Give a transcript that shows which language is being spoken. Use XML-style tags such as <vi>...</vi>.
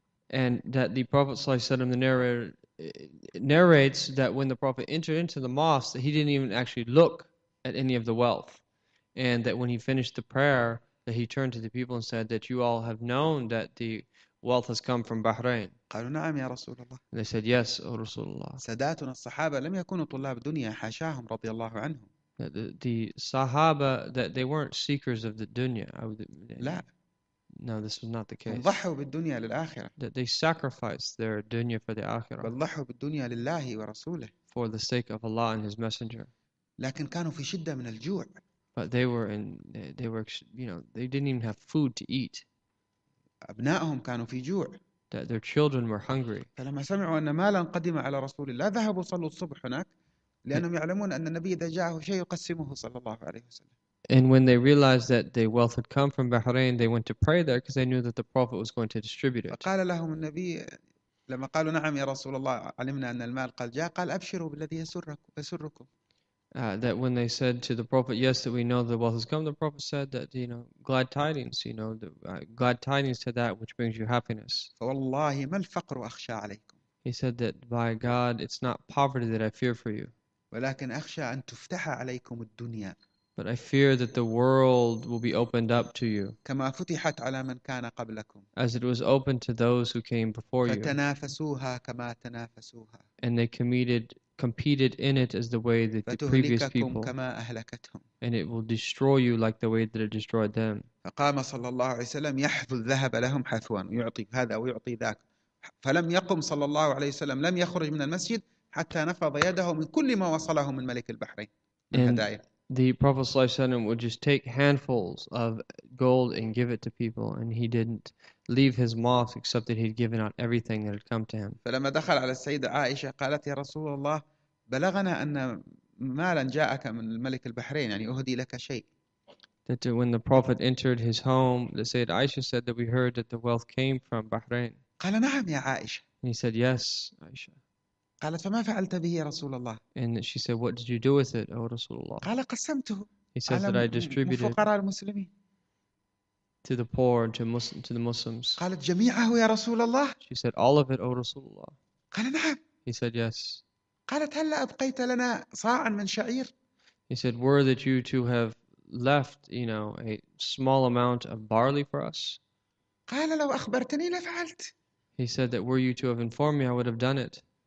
<en>And that the Prophet</en> <ar>صلى الله عليه وسلم,</ar> <en>the narrates that when the Prophet entered into the mosque, that he didn't even actually look at any of the wealth. And that when he finished the prayer, that he turned to the people and said that you all have known that the wealth has come from Bahrain.</en> <ar>قالوا نعم يا رسول الله.</ar> <en>And they said yes, O</en> <ar>رسول الله. ساداتنا الصحابة لم يكونوا طلاب دنيا حاشاهم رضي الله عنهم.</ar> <en>The Sahaba, that they weren't seekers of the dunya.</en> <ar>لا.</ar> <en>No, this was not the case.</en> <ar>ضحوا بالدنيا للآخرة.</ar> <en>That they sacrificed their dunya for the akhirah.</en> <ar>بل ضحوا بالدنيا لله ورسوله.</ar> <en>For the sake of Allah and His Messenger.</en> <ar>لكن كانوا في شدة من الجوع.</ar> <en>But they were in, they were, you know, they didn't even have food to eat.</en> <ar>أبنائهم كانوا في جوع.</ar> <en>That their children were hungry.</en> <ar>فلما سمعوا أن مالا قدم على رسول الله ذهبوا صلوا الصبح هناك لأنهم يعلمون أن النبي إذا جاءه شيء يقسمه صلى الله عليه وسلم.</ar> <en>And when they realized that the wealth had come from Bahrain, they went to pray there because they knew that the Prophet was going to distribute it.</en> <ar>فقال لهم النبي لما قالوا نعم يا رسول الله علمنا أن المال قد جاء قال أبشروا بالذي يسركم.</ar> <en>That when they said to the Prophet, yes, that we know the wealth has come, the Prophet said that, you know, glad tidings, you know, the, glad tidings to that which brings you happiness.</en> <ar>فوالله ما الفقر أخشى عليكم.</ar> <en>He said that by God, it's not poverty that I fear for you.</en> <ar>ولكن أخشى أن تفتح عليكم الدنيا.</ar> <en>But I fear that the world will be opened up to you.</en> <ar>كما فتحت على من كان قبلكم.</ar> <en>As it was opened to those who came before you.</en> <ar>فتنافسوها كما تنافسوها.</ar> <en>And they competed in it as the way that the previous people.</en> <ar>كما أهلكتهم.</ar> <en>And it will destroy you like the way that it destroyed them.</en> <ar>فقام صلى الله عليه وسلم يحذو الذهب لهم حثوا ويعطي هذا ويعطي ذاك. فلم يقم صلى الله عليه وسلم لم يخرج من المسجد حتى نفض يده من كل ما وصله من ملك البحرين من هدايا.</ar> <en>The Prophet</en> <ar>صلى الله عليه وسلم</ar> <en>would just take handfuls of gold and give it to people, and he didn't leave his mosque except that he'd given out everything that had come to him.</en> <ar>فلما دخل على السيدة عائشة قالت يا رسول الله بلغنا أن مالا جاءك من الملك البحرين يعني أهدي لك شيء.</ar> <en>That when the Prophet entered his home, the Sayyid Aisha said that we heard that the wealth came from Bahrain.</en> <ar>قال نعم يا عائشة.</ar> <en>And he said yes, Aisha.</en> <ar>قالت فما فعلت به يا رسول الله؟</ar> <en>And she said, what did you do with it, O Rasulullah?</en> <ar>قال قسمته.</ar> <en>He says that I distributed</en> <ar>فقراء المسلمين.</ar> <en>To the poor and to the Muslims.</en> <ar>قالت جميعه يا رسول الله.</ar> <en>She said all of it, O Rasulullah.</en> <ar>قال نعم.</ar> <en>He said yes.</en> <ar>قالت هل أبقيت لنا صاعا من شعير؟</ar> <en>He said, were that you to have left, you know, a small amount of barley for us?</en> <ar>قال لو أخبرتني لفعلت.</ar> <en>He said that were you to have informed me, I would have done it.</en>